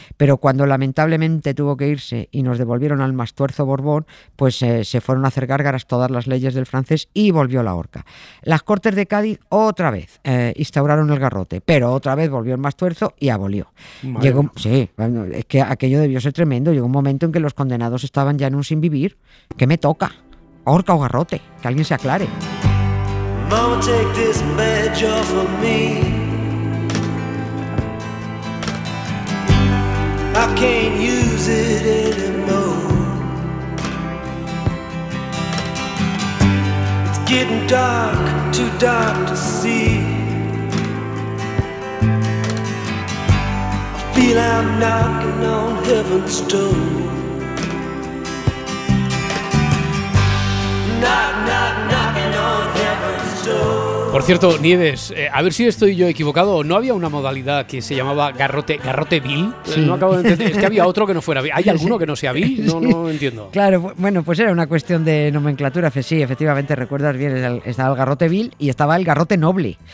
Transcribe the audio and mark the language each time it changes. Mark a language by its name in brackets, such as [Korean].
[Spanish] Pero cuando lamentablemente tuvo que irse y nos devolvieron al Mastuerzo Borbón, pues se fueron a hacer gárgaras todas las leyes del francés y volvió la horca. Las Cortes de Cádiz otra vez instauraron el garrote, pero otra vez volvió el Mastuerzo y abolió. Es que aquello debió ser tremendo. Llegó un momento en que los condenados estaban ya en un sinvivir. ¿Qué me toca? ¿Horca o garrote? Que alguien se aclare. [English] Mama, take this badge off of me. I can't use it anymore. It's getting dark, too dark to see. I feel I'm knocking on heaven's door. Knock, knock, knocking on heaven's door. [Spanish] Por cierto, Nieves, a ver si estoy yo equivocado, ¿no había una modalidad que se llamaba garrote vil? Sí. No acabo de entender, es que había otro que no fuera vil. ¿Hay alguno que no sea vil? No entiendo. Claro, bueno, pues era una cuestión de nomenclatura. Sí, efectivamente, recuerdas bien, estaba el garrote vil y estaba el garrote noble.